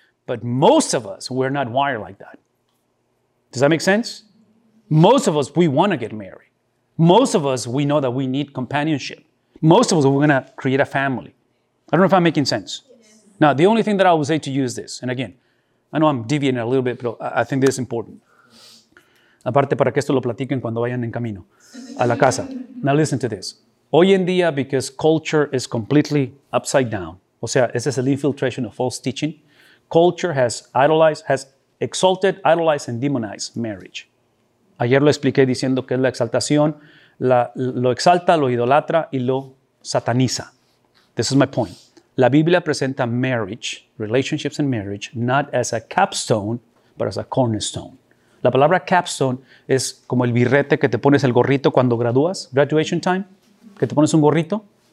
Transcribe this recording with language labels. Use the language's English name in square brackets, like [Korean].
[English] But most of us, we're not wired like that. Does that make sense? Most of us, we want to get married. Most of us, we know that we need companionship. Most of us, we're going to create a family. I don't know if I'm making sense. Now, the only thing that I would say to you is this, and again, I know I'm deviating a little bit, but I think this is important. [Spanish] Aparte, para que esto lo platiquen cuando vayan en camino a la casa. [English] Now listen to this. [Spanish] Hoy en día, [English] because culture is completely upside down, o sea, this is an infiltration of false teaching, culture has exalted, idolized, and demonized marriage. [Spanish] Ayer lo expliqué diciendo que es la exaltación, lo exalta, lo idolatra y lo sataniza. [English] This is my point. [Spanish] La Biblia presenta [English] marriage, relationships and marriage, not as a capstone, but as a cornerstone. [Spanish] La palabra capstone es como el birrete que te pones el gorrito cuando gradúas, [English] graduation time, [Spanish] que te pones un gorrito.